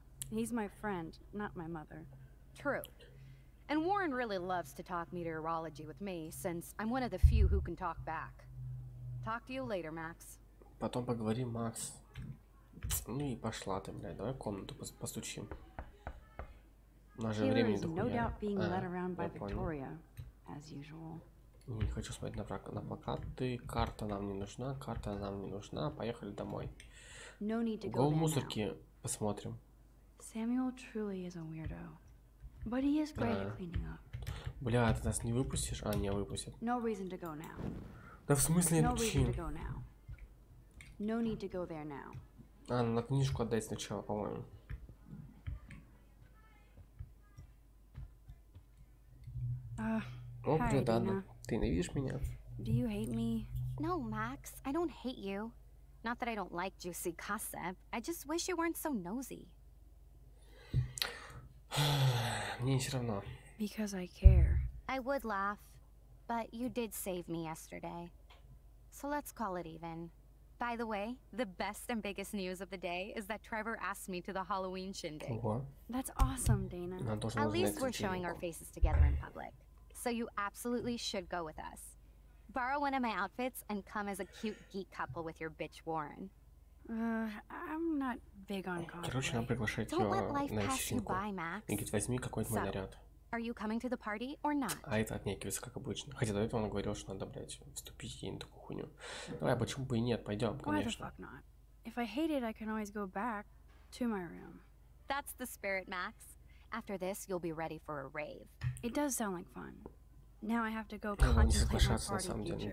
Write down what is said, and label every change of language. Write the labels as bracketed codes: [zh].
[en] He's my friend, not my mother. True. And Warren really loves to talk meteorology with me, since I'm one of the few who can talk back. Talk to you later, Max. [ru] Потом поговорим, Макс. Ну и пошла ты, блядь, давай в комнату постучим. У нас же времени дохуя. Я понял. Не хочу смотреть на плакаты. Карта нам не нужна, карта нам не нужна. Поехали домой. [en] No need to go [ru] в мусорке посмотрим. [en] Samuel truly is a weirdo, but he is great at cleaning up. [ru] Бля, ты нас не выпустишь? А, не выпустят. [en] No reason to go now. [ru] Да в смысле, [en] no reason to go now. No need to go there now. [ru] А, на книжку отдай сначала, по-моему. О, бля, Дана, ты ненавидишь меня? [en] Do you hate me? No, Max, I don't hate you. Not that I don't like juicy gossip. I just wish you weren't so nosy. [ru] Мне все равно. [en] Because I care. I would laugh, but you did save me yesterday. So let's call it even. By the way, the best and biggest news of the day is that Trevor asked me to the Halloween shindig. [ru] Ого. [en] That's awesome, Dana. At least we're showing our faces together in public. So you absolutely should go with us. Borrow one of my outfits and come as a cute geek couple with your bitch Warren. I'm not big on cosplay. [ru] Короче, нам приглашают её на вечеринку. И говорит, возьми какой-то мой наряд. [en] Are you coming to the party or not? [ru] А это отнекивается, как обычно. Хотя до этого он говорил, что надо, блядь, вступить ей на такую хуйню. Давай, почему бы и нет, пойдем, конечно. [en] Why the fuck not? If I hate it, I can always go back to my room. That's the spirit, Max. After this, you'll be ready for a rave. It does sound like fun. Now I have to go contemplate my party future. [ru] Не соглашаться, на самом деле,